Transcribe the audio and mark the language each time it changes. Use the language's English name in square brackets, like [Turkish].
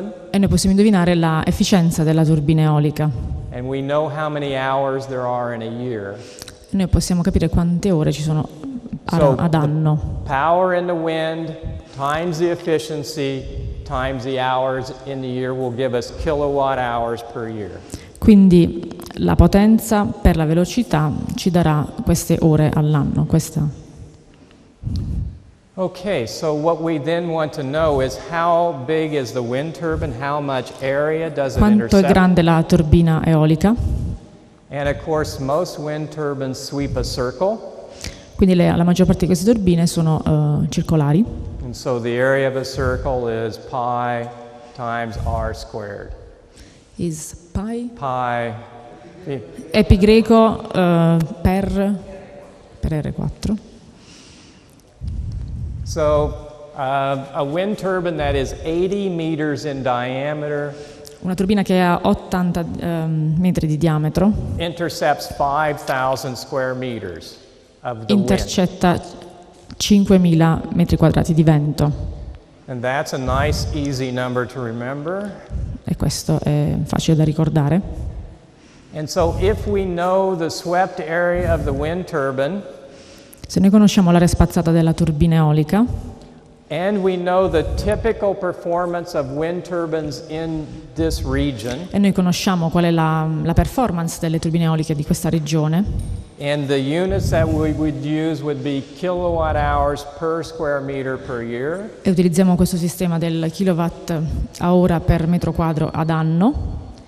[Italian] E noi possiamo indovinare la efficienza della turbina eolica. [English] And we know how many hours there are in a year. [Italian] E noi possiamo capire quante ore ci sono ad anno. [English] The power in the wind times the efficiency times the hours in the year will give us kilowatt hours per year. [Italian] Quindi la potenza per la velocità ci darà queste ore all'anno, questa. [English] Okay, so what we then want to know is how big is the wind turbine, how much area does it intercept? [Italian] Quanto è grande la turbina eolica? [English] And of course, most wind turbines sweep a circle. [Italian] Quindi la maggior parte di queste turbine sono circolari. [English] And so the area of a circle is pi times r squared. Is pi? Pi. [Italian] Epi greco per R4. [English] So, a wind turbine that is 80 meters in diameter. [Italian] Una turbina che ha 80 metri di diametro. [English] Intercepts 5,000 square meters of the wind. [Italian] Intercetta 5,000 metri quadrati di vento. [English] And that's a nice, easy number to remember. [Italian] E questo è facile da ricordare. [English] And so, if we know the swept area of the wind turbine. [Italian] Se noi conosciamo l'area spazzata della turbina eolica [English] and we know the typical performance of wind turbines in this region, [Italian] e noi conosciamo qual è la performance delle turbine eoliche di questa regione [English] and the units that we would use would be kilowatt hours per square meter per year, [Italian] e utilizziamo questo sistema del kilowatt a ora per metro quadro ad anno.